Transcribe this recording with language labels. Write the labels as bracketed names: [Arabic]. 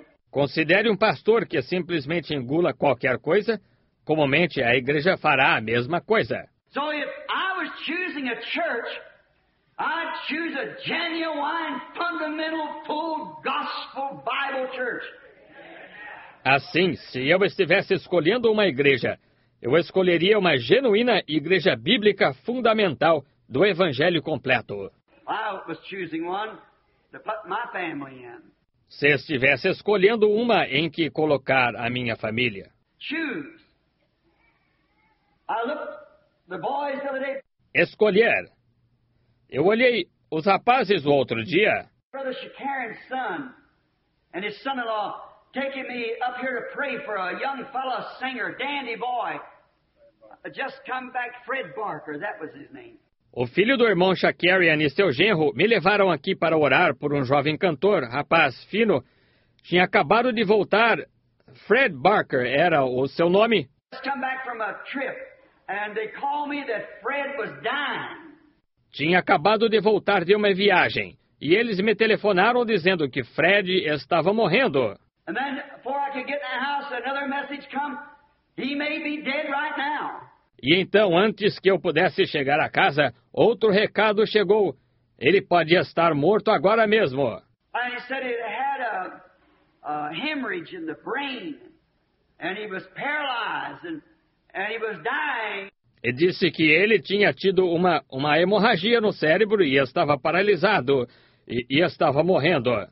[Portuguese] Considere um pastor que simplesmente engula qualquer coisa. Comumente, a igreja fará a mesma coisa. Então, se eu estivesse escolhendo uma igreja [English] I choose a genuine, fundamental, full gospel Bible church. [Portuguese] Assim, se eu estivesse escolhendo uma igreja, eu escolheria uma genuína igreja bíblica fundamental do Evangelho completo. [English] I was choosing one to put my family in. [Portuguese] Se estivesse escolhendo uma em que colocar a minha família. [English] Choose. I looked the boys the other day. [Portuguese] Escolher. Eu olhei os rapazes o outro dia. [English] Brother Shakarin's son and his son-in-law taking me up here to pray for a young fellow singer, dandy boy. Just come back, Fred Barker, that was his name. [Portuguese] O filho do irmão Shakarian e seu genro me levaram aqui para orar por um jovem cantor, rapaz fino. Tinha acabado de voltar. Fred Barker era o seu nome. [English] Come back from a trip and they call me that Fred was dying. [Portuguese] Tinha acabado de voltar de uma viagem e eles me telefonaram dizendo que Fred estava morrendo. [English] And then, before I could get in the house, another message come. He may be dead right now. [Portuguese] E então, antes que eu pudesse chegar à casa, outro recado chegou. Ele podia estar morto agora mesmo. [English] And he said he had a hemorrhage in the brain and he was paralyzed and he was dying. [Portuguese] E disse que ele tinha tido uma hemorragia no cérebro e estava paralisado e estava morrendo.